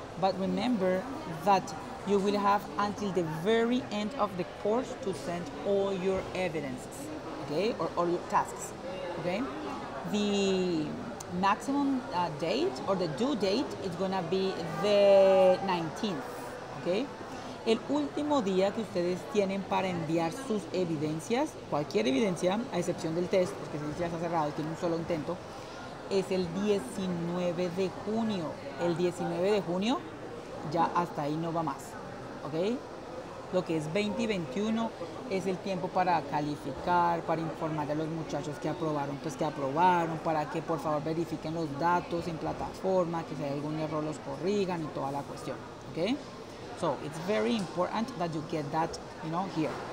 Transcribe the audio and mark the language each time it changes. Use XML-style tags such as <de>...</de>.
<en>But remember that you will have until the very end of the course to send all your evidences, okay, or all your tasks, okay? The maximum date or the due date is gonna be the 19th, okay?</en> <es>El último día que ustedes tienen para enviar sus evidencias, cualquier evidencia, a excepción del test, porque si ya está cerrado y tiene un solo intento, es el 19 de junio. El 19 de junio ya hasta ahí no va más, okay? Lo que es 20 y 21 es el tiempo para calificar, para informar a los muchachos que aprobaron, pues que aprobaron, para que por favor verifiquen los datos en plataforma, que si hay algún error los corrigan y toda la cuestión, okay?</es> <en>So it's very important that you get that, you know, here.</en>